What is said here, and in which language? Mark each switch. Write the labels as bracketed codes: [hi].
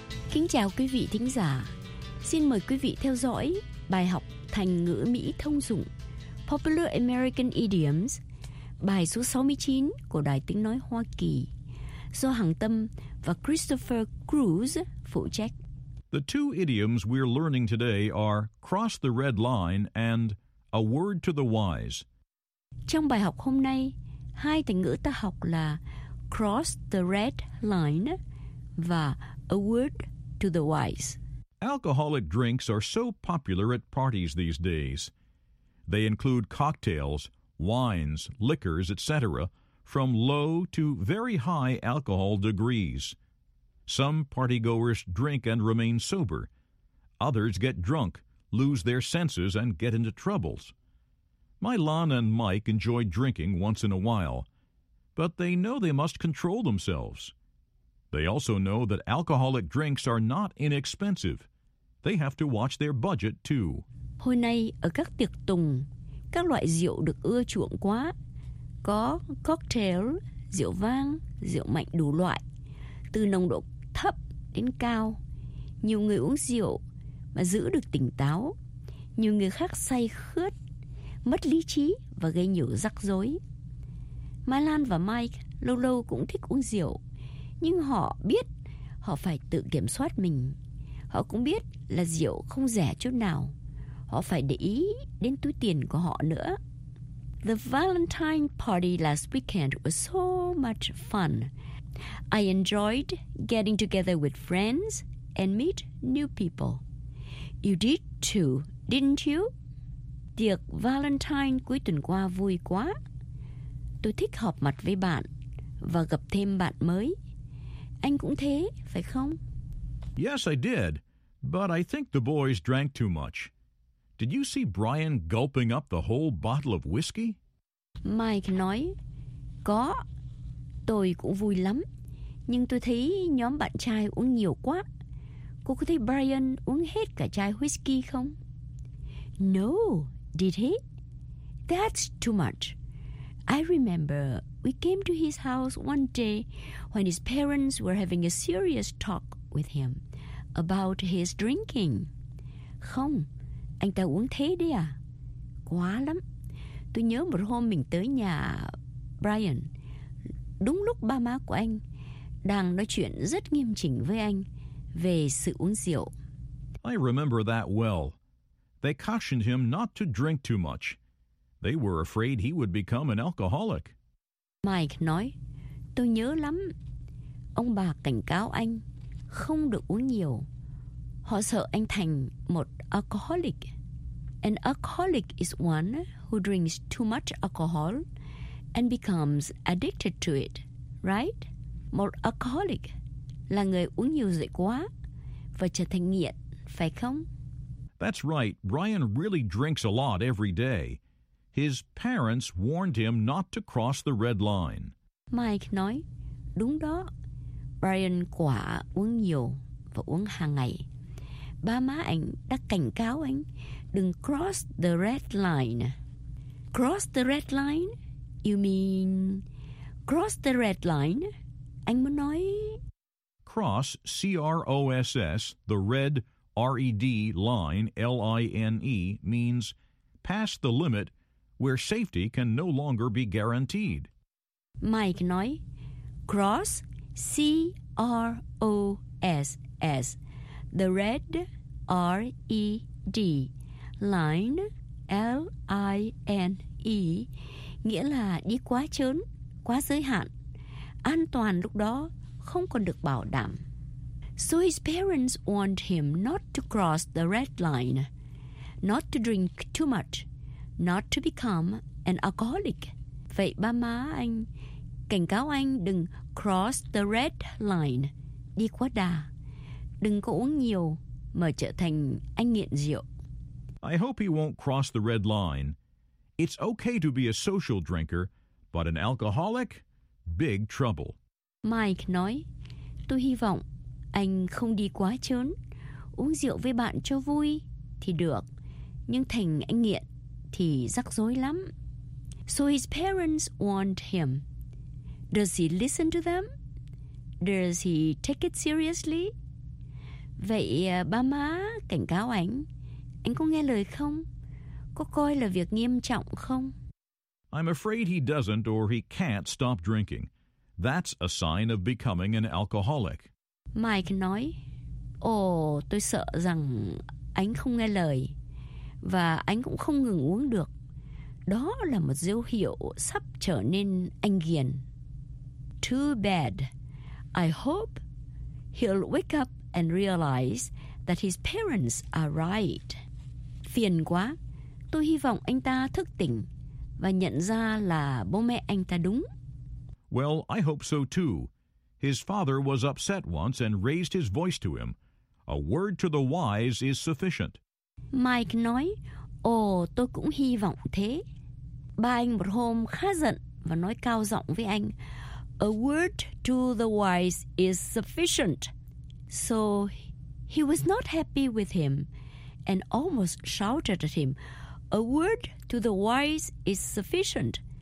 [vi] Kính chào quý vị thính giả. Xin mời quý vị theo dõi bài học thành ngữ Mỹ thông dụng Popular American Idioms, bài số 69 của Đài Tiếng Nói Hoa Kỳ, do Hằng Tâm và Christopher Cruz phụ trách. [en] The two idioms we're learning today are cross the red line and a word to the wise. [vi] Trong bài học hôm nay, hai thành ngữ ta học là [en] cross the red line [vi] và [en] a word to the wise. Alcoholic drinks are so popular at parties these days. They include cocktails, wines, liquors, etc., from low to very high alcohol degrees. Some partygoers drink and remain sober. Others get drunk, lose their senses, and get into troubles. Milan and Mike enjoy drinking once in a while, but they know they must control themselves. They also know that alcoholic drinks are not inexpensive. They have to watch their budget, too. [vi] Hôm nay, ở các tiệc tùng, các loại rượu được ưa chuộng quá. Có cocktail, rượu vang, rượu mạnh đủ loại, từ nồng độ thấp đến cao. Nhiều người uống rượu mà giữ được tỉnh táo. Nhiều người khác say khướt, mất lý trí và gây nhiều rắc rối. Milan và Mike lâu lâu cũng thích uống rượu, nhưng họ biết họ phải tự kiểm soát mình. Họ cũng biết là rượu không rẻ chút nào. Họ phải để ý đến túi tiền của họ nữa. [en] The Valentine party last weekend was so much fun. I enjoyed getting together with friends and meet new people. You did too, didn't you? [vi] Tiệc Valentine cuối tuần qua vui quá. Tôi thích họp mặt với bạn và gặp thêm bạn mới. Anh cũng thế, phải không? [en] Yes, I did. But I think the boys drank too much. Did you see Brian gulping up the whole bottle of whiskey? [vi] Mike nói, có, tôi cũng vui lắm, Nhưng tôi thấy nhóm bạn trai uống nhiều quá. Cô có thấy Brian uống hết cả chai whisky không? [en] No, did he? That's too much. I remember we came to his house one day when his parents were having a serious talk with him about his drinking. [vi] Không, anh ta uống thế đấy à? Quá lắm. Tôi nhớ một hôm mình tới nhà Brian, đúng lúc ba má của anh đang nói chuyện rất nghiêm chỉnh với anh về sự uống rượu. [en] I remember that well. They cautioned him not to drink too much. They were afraid he would become an alcoholic. [vi] Mike nói, tôi nhớ lắm. Ông bà cảnh cáo anh không được uống nhiều. Họ sợ anh thành một alcoholic. [en] An alcoholic is one who drinks too much alcohol and becomes addicted to it, right? [vi] Một alcoholic là người uống nhiều rượu quá và trở thành nghiện, phải không? [en] That's right. Brian really drinks a lot every day. His parents warned him not to cross the red line. [vi] Mike nói, đúng đó. Brian quả uống nhiều và uống hàng ngày. Ba má anh đã cảnh cáo anh đừng [en] cross the red line. Cross the red line? You mean cross the red line? [vi] Anh muốn nói... [en] Cross, C-R-O-S-S, the red, R-E-D, line, L-I-N-E, means pass the limit where safety can no longer be guaranteed. [vi] Mike nói, [en] cross, C-R-O-S-S, the red, R-E-D, line, L-I-N-E, [vi] nghĩa là đi quá chớn, quá giới hạn. An toàn lúc đó không còn được bảo đảm. [en] So his parents warned him not to cross the red line, not to drink too much, not to become an alcoholic. [vi] Vậy ba má anh cảnh cáo anh đừng [en] cross the red line, [vi] đi quá đà. Đừng có uống nhiều mà trở thành anh nghiện rượu. [en] I hope he won't cross the red line. It's okay to be a social drinker, but an alcoholic? Big trouble. [vi] Mike nói, tôi hy vọng anh không đi quá chớn. Uống rượu với bạn cho vui thì được, nhưng thành anh nghiện thì rắc rối lắm. [en] So his parents warned him. Does he listen to them? Does he take it seriously? [vi] Vậy ba má cảnh cáo anh, anh có nghe lời không? Có coi là việc nghiêm trọng không? [en] I'm afraid he doesn't or he can't stop drinking. That's a sign of becoming an alcoholic. [vi] Mike nói, tôi sợ rằng anh không nghe lời và anh cũng không ngừng uống được. Đó là một dấu hiệu sắp trở nên anh nghiện. [en] Too bad. I hope he'll wake up and realize that his parents are right. [vi] Phiền quá. Tôi hy vọng anh ta thức tỉnh và nhận ra là bố mẹ anh ta đúng. [en] Well, I hope so too. His father was upset once and raised his voice to him. A word to the wise is sufficient. [vi] Mike nói, tôi cũng hy vọng thế. Ba anh một hôm khá giận và nói cao giọng với anh, [en] a word to the wise is sufficient. So he was not happy with him and almost shouted at him, a word to the wise is sufficient.